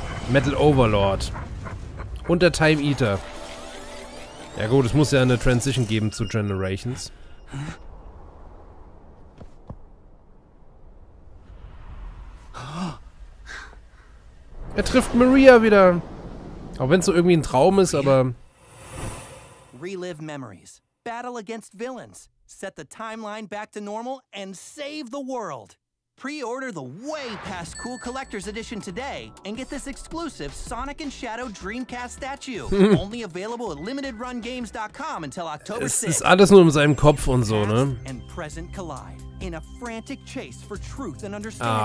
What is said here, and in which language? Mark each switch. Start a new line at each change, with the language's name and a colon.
German: Metal Overlord. Und der Time Eater. Ja gut, es muss ja eine Transition geben zu Generations. Er trifft Maria wieder. Auch wenn es so irgendwie ein Traum ist, aber...
English: Relive memories. Battle against villains. Set the timeline back to normal and save the world. Pre-order the way past cool collector's edition today and get this exclusive Sonic and Shadow Dreamcast statue. Only available at limitedrungames.com until October 6th.
German: Es ist alles nur in seinem Kopf und so, ne?
English: And present collide in a frantic chase for truth and understanding.